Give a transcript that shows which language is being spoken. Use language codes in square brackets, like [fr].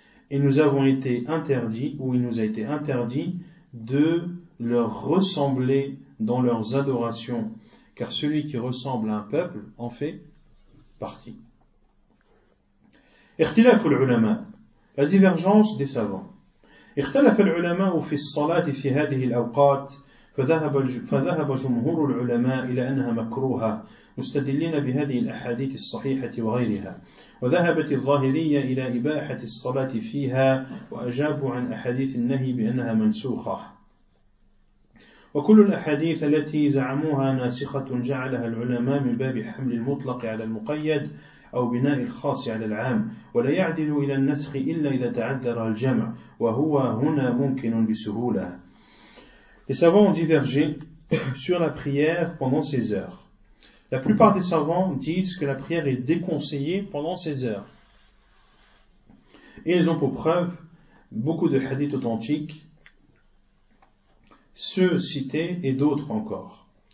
[fr] Et nous avons été interdits, ou il nous a été interdit, de leur ressembler dans leurs adorations. Car celui qui ressemble à un peuple en fait partie. [ar] اختلاف العلماء, [fr] la divergence des savants. [ar] اختلف العلماء في الصلاة في هذه الأوقات فذهب جمهور العلماء إلى أنها مكروهة مستدلين بهذه الأحاديث الصحيحة وغيرها وذهبت الظاهرية إلى إباحة الصلاة فيها وأجابوا عن أحاديث النهي بأنها منسوخة وكل الأحاديث التي زعموها ناسخة جعلها العلماء من باب حمل المطلق على المقيد أو بناء الخاص على العام ولا يعدل إلى النسخ إلا إذا تعذر الجمع وهو هنا ممكن بسهولة. [fr] Les savants ont divergé sur la prière pendant ces heures. La plupart des savants disent que la prière est déconseillée pendant ces heures. Et ils ont pour preuve beaucoup de hadiths authentiques, ceux cités et d'autres encore.